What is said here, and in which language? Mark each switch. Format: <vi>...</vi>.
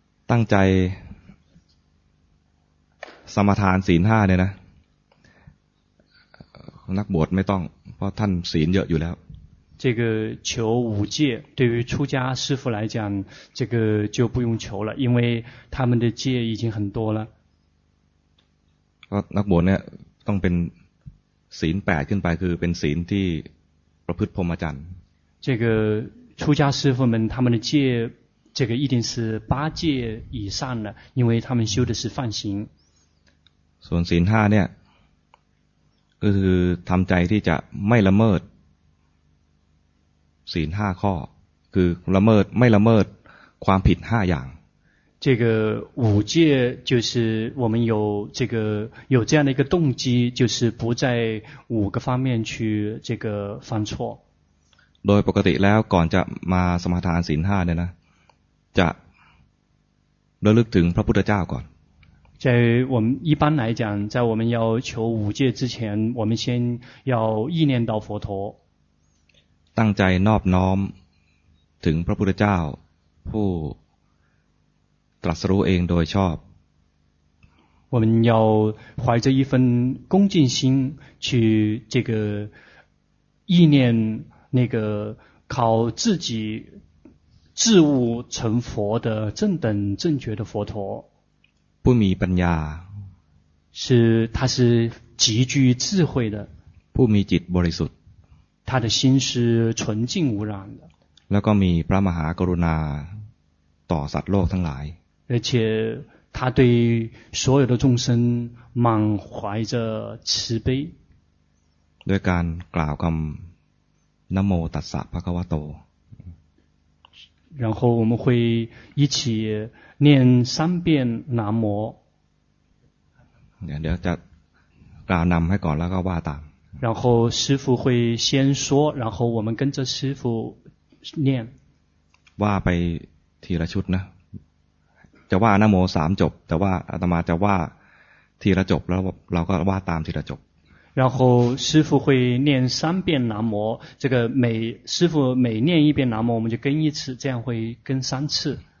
<th>ตั้งใจสมาทานศีล5เนี่ยนะนักบวชไม่ต้องเพราะท่านศีลเยอะอยู่แล้ว</th> <zh>这个求五戒对于出家师父来讲这个就不用求了因为他们的戒已经很多了</zh> <th>นักบวชเนี่ยต้องเป็นศีล8ขึ้นไปคือเป็นศีลที่ประพฤติพรหมจรรย์</th> <zh>这个出家师父们他们的戒这个一定是八戒以上的因为他们修的是梵行</zh> <th>ส่วนศีล5เนี่ยก็คือทำใจที่จะไม่ละเมิดศีล5ข้อคือละเมิดไม่ละเมิดความผิด5อย่าง</th> <zh>这个五戒就是我们有这个有这样的一个动机就是不在五个方面去这个犯错</zh> <th>โดยปกติแล้วก่อนจะมาสมาทานศีล5เนี่ยนะจะระลึกถึงพระพุทธเจ้าก่อน</th> <zh>在我们一般来讲在我们要求五戒之前我们先要意念到佛陀</zh> <th>ตั้งใจนอบน้อมถึงพระพุทธเจ้าผู้ตรัสรู้เองโดยชอบ</th> <zh>我们要怀着一份恭敬心去这个意念那个靠自己自悟成佛的正等正觉的佛陀不迷</zh> <th>ปัญญา</th> <zh>是他是极具智慧的不迷</zh> <th>จิตบริสุทธิ์</th> <zh>他的心是纯净无染的</zh> <th>แล้วก็มีพระมหากรุณาต่อสัตว์โลกทั้งหลาย</th> <zh>而且他对所有的众生满怀着慈悲</zh> <th>ด้วยการกล่าวคำนะโมตัสสะภะคะวะโต</th> <zh>然后我们会一起念三遍南无</zh> <th>เดี๋ยวจะกล่าวนำให้ก่อนแล้วก็ว่าตาม</th> <zh>然后师父会先说然后我们跟着师父念</zh> <th>ว่าไปทีละชุดนะจะว่านะโม3จบแต่ว่าอาตมาจะว่าทีละจบแล้วเราก็ว่าตามทีละจบ</th> <zh>然后师父会念三遍南无，这个每师父每念一遍南无，我们就跟一次，这样会跟三次。</zh>